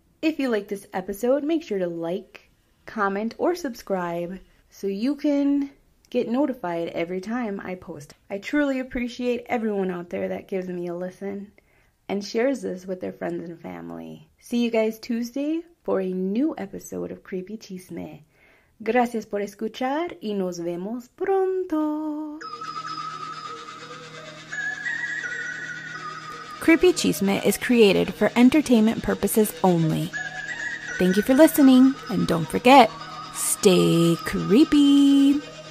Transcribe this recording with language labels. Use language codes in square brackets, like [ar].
[en] If you like this episode, make sure to like, comment, or subscribe so you can get notified every time I post. I truly appreciate everyone out there that gives me a listen and shares this with their friends and family. See you guys Tuesday for a new episode of Creepy Chisme. [es] Gracias por escuchar y nos vemos pronto. [en] Creepy Chisme is created for entertainment purposes only. Thank you for listening, and don't forget, stay creepy!